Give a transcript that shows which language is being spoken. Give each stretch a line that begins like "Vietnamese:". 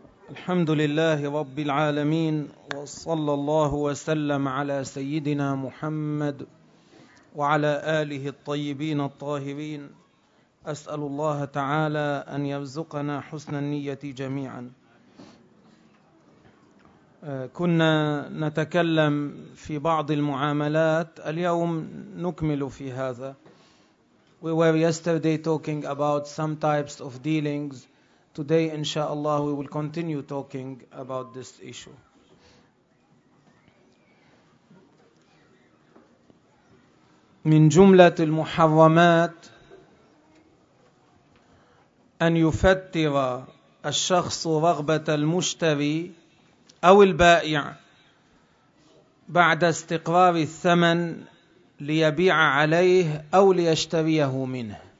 Arabic: الحمد لله رب العالمين، وصلى الله وسلم على سيدنا محمد وعلى آله الطيبين الطاهرين. أسأل الله تعالى أن يرزقنا حسن النية جميعا. كنا نتكلم في بعض المعاملات، اليوم نكمل في هذا.
English: We were yesterday talking about some types of dealings. Today, inshallah, we will continue talking about this issue.
Arabic: من جملة المحرمات أن يفتر الشخص رغبة المشتري أو البائع بعد استقرار الثمن ليبيع عليه أو ليشتريه منه.